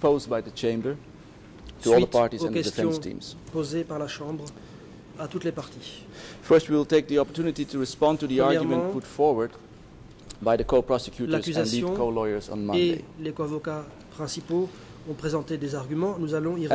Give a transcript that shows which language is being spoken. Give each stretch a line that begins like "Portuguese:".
English: posed by the chamber to all the parties and the defense teams.
French: Posées par la chambre à toutes les parties.
English: First, we will take the opportunity to respond to the argument put forward by the co-prosecutors and lead co-lawyers on Monday.
French: Et les co-avocats principaux ont présenté des arguments, nous allons y répondre.